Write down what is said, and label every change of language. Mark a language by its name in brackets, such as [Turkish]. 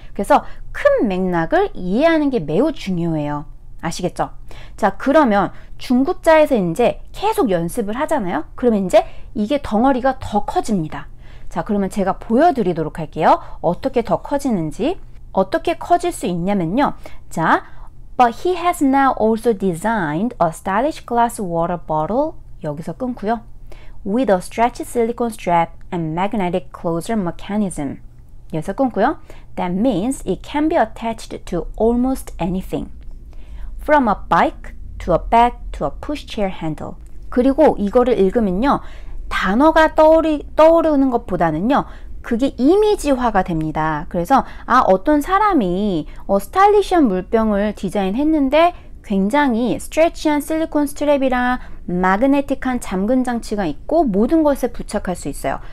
[Korean] 그래서 큰 맥락을 이해하는 게 매우 중요해요. 아시겠죠? 자, 그러면 중급자에서 이제 계속 연습을 하잖아요. 그러면 이제 이게 덩어리가 더 커집니다. 자, 그러면 제가 보여드리도록 할게요. 어떻게 더 커지는지. 어떻게 커질 수 있냐면요. [English] 자, But he has now also designed a stylish glass water bottle. [Korean] 여기서 끊고요. [English] With a stretchy silicone strap and magnetic closure mechanism. [Korean] 여기서 끊고요. [English] That means it can be attached to almost anything. From a bike to a bag to a pushchair handle. [Korean] 그리고 이거를 읽으면요. 단어가 떠오르는 것보다는요. 그게 이미지화가 됩니다. 그래서 아, 어떤 사람이 스타일리시한 물병을 디자인했는데 굉장히 스트레치한 실리콘 스트랩이랑 마그네틱한 잠금 장치가 있고 모든 것에 부착할 수 있어요.